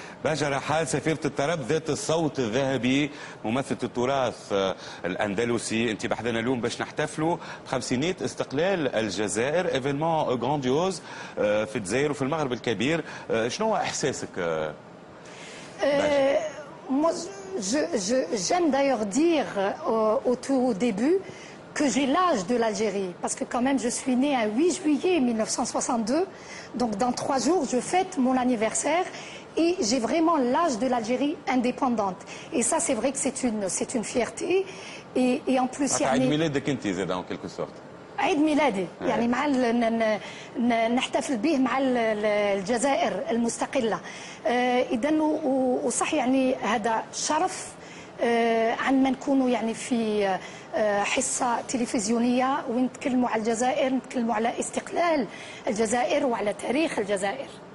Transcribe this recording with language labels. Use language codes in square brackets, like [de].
[ar] بهجة رحال سفيرة الطرب ذات الصوت الذهبي، ممثلة التراث الأندلسي. أنت بحضنا اليوم باش نحتفلوا بخمسينية استقلال الجزائر، [fr] إيفينمون غرانديوز [ar] في الجزائر وفي المغرب الكبير. شنو هو إحساسك؟ [fr] J'aime d'ailleurs dire au début que j'ai l'âge de l'Algérie, parce que quand même je suis née un 8 juillet 1962, donc dans trois jours je fête mon anniversaire et j'ai vraiment l'âge de l'Algérie indépendante. Et ça c'est vrai que c'est une fierté. Et en plus... Tu as une mêlée de Kinti, en quelque sorte. [ar] عيد ميلادي يعني مع نحتفل به مع الجزائر المستقلة. إذن وصح يعني هذا شرف عن ما نكونوا يعني في حصة تلفزيونية ونتكلموا على الجزائر، نتكلموا على استقلال الجزائر وعلى تاريخ الجزائر.